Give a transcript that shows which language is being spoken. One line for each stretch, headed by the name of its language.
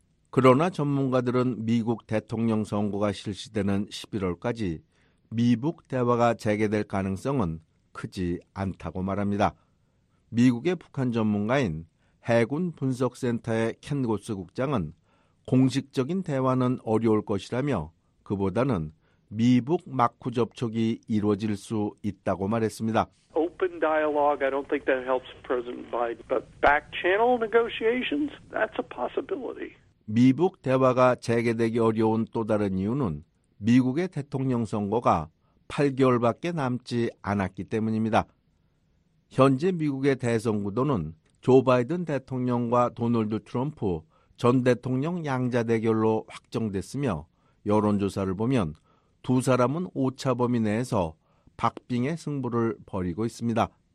Korean: 그러나 전문가들은 미국 대통령 선거가 실시되는 11월까지 미북 대화가 재개될 가능성은 크지 않다고 말합니다. 미국의 북한 전문가인 해군 분석센터의 켄 고스 국장은 공식적인 대화는 어려울 것이라며 그보다는 미북 마쿠 접촉이 이루어질 수 있다고 말했습니다.
English: Open dialogue, I don't think that helps President Biden, but back channel negotiations, that's a possibility.
Korean: 미북 대화가 재개되기 어려운 또 다른 이유는 미국의 대통령 선거가 8개월밖에 남지 않았기 때문입니다. 현재 미국의 대선 구도는 조 바이든 대통령과 도널드 트럼프 전 대통령 양자 대결로 확정됐으며 여론조사를 보면 두 사람은 오차 범위 내에서 박빙의 승부를 벌이고 있습니다.